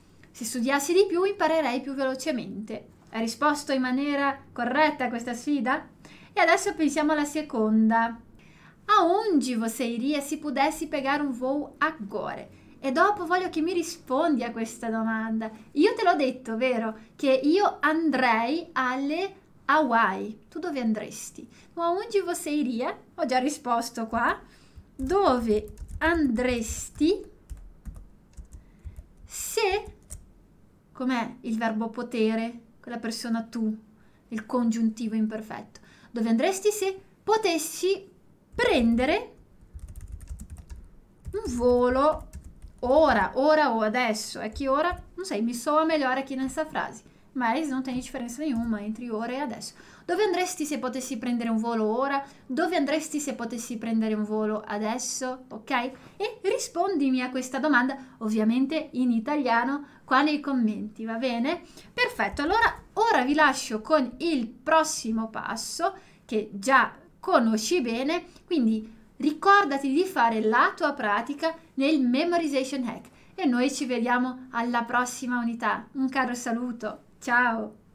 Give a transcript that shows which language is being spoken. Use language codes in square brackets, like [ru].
[it] Se studiassi di più, imparerei più velocemente. Ha risposto in maniera corretta a questa sfida? E adesso pensiamo alla seconda. [pt] Aonde você iria se pudesse pegar um voo agora? [it] E dopo voglio che mi rispondi a questa domanda. Io te l'ho detto, vero? Che io andrei alle Hawaii. Tu dove andresti? Ma [pt] aonde você iria? [it] Ho già risposto qua. Dove andresti se... Com'è il verbo potere? Quella persona tu, il congiuntivo imperfetto. Dove andresti se potessi prendere un volo? [pt] Ora ou adesso, é que ora, não sei, me soa melhor aqui nessa frase, mas não tem diferença nenhuma entre ora e adesso. [it] Dove andresti se potessi prendere un volo ora? Dove andresti se potessi prendere un volo adesso? Ok? E rispondimi a questa domanda, ovviamente in italiano, qua nei commenti, va bene? Perfetto, allora ora vi lascio con il prossimo passo che già conosci bene, quindi ricordati di fare la tua pratica nel Memorization Hack e noi ci vediamo alla prossima unità. Un caro saluto, ciao!